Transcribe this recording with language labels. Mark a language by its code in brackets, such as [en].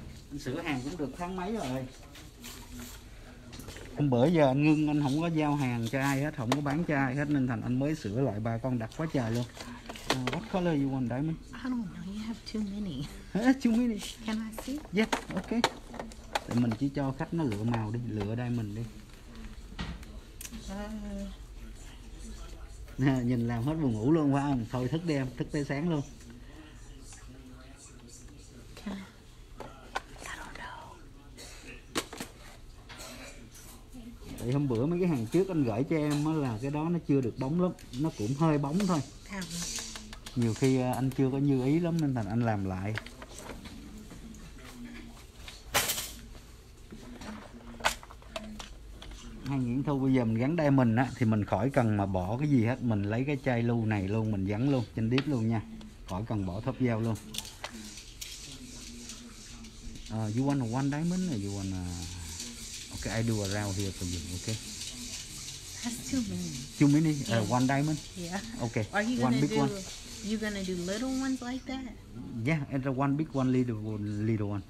[vi] Anh sửa hàng cũng được tháng mấy rồi. Hôm bữa giờ anh ngưng, anh không có giao hàng cho ai hết, không có bán cho ai hết, nên thành anh mới sửa lại. Bà con đặt quá trời luôn. [en] What color you want, diamond? I don't know, you have too many. Too many? Can I see? Yeah, ok. [vi] Để mình chỉ cho khách nó lựa màu đi, lựa diamond đi. Nhìn làm hết buồn ngủ luôn phải không? Thôi thức đi em, thức tới sáng luôn. Tại hôm bữa mấy cái hàng trước anh gửi cho em á, là cái đó nó chưa được bóng lắm, nó cũng hơi bóng thôi. Nhiều khi anh chưa có như ý lắm nên thành anh làm lại. Hai Nguyễn Thu, bây giờ mình gắn diamond á thì mình khỏi cần mà bỏ cái gì hết, mình lấy cái chai lưu này luôn, mình gắn luôn trên đít luôn nha, khỏi cần bỏ thóp gel luôn. [en] You want one diamond or you want ok, I do a round here for you, ok? That's too many. Too many? One diamond? Yeah. Ok, are you one big do, one. You gonna do little ones like that? Yeah, and the one big one, little one.